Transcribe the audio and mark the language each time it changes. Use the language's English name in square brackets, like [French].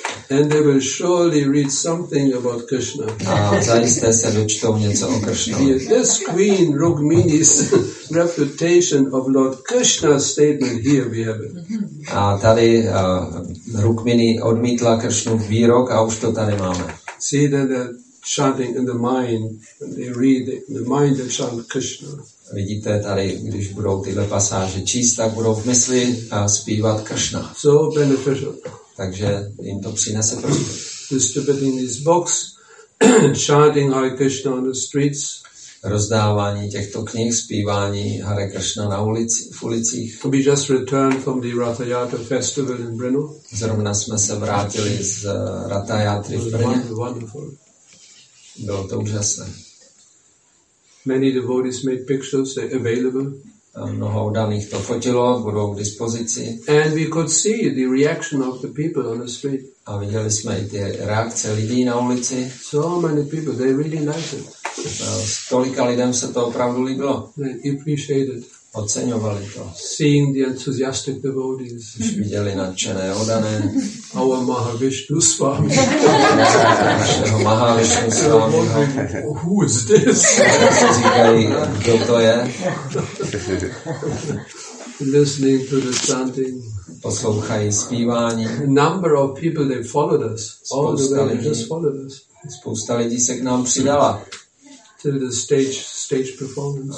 [English] And they will surely read something about Krishna. [Czech] Zajisté se dočtou něco o Krishnovi. [English] This Queen Rukmini's refutation of Lord Krishna's statement here we have it. [Czech] A tady Rukmini odmítla Krishnův výrok a už to tady máme. [English] See that the chanting in the mind, they read the mind that chant Krishna. [Czech] Vidíte tady, když budou tyhle pasáže číst, tak budou v mysli zpívat Krishna. [English] So beneficial. [Czech] Takže jim to přinese prospěch. [English] Distributing these books, chanting Hare Krishna on the streets. [Czech] Rozdávání těchto knih, zpívání Hare Krishna na ulicích. [English] We just returned from the Ratha Yatra festival in Brno. [Czech] Zrovna jsme se vrátili z Ratha Yatry v Brně. [English] Wonderful. [Czech] Bylo to úžasné. [English] Many devotees made pictures available. [Czech] Mnoho udaných to fotilo, budou k dispozici. [English] And we could see the reaction of the people on the street. [Czech] A viděli jsme i ty reakce lidí na ulici. [English] So many people, they really liked it. [Czech] Tolika lidem se to opravdu líbilo. [English] They appreciated. [Czech] Oceňovali to. [English] Seeing the enthusiastic devotees. [Czech] Už viděli nadšené udané. [English] Our Mahavishnu Swami. [Czech] Našeho Mahavishnu Swami. [English] Who is this? [Czech] Říkají, kdo to je. [English] Listening to the chanting. [Czech] Poslouchají zpívání. [English] A number of people, they followed us. All the way, they just followed us. [Czech] Spousta lidí se k nám přidala. [English] To the stage performance.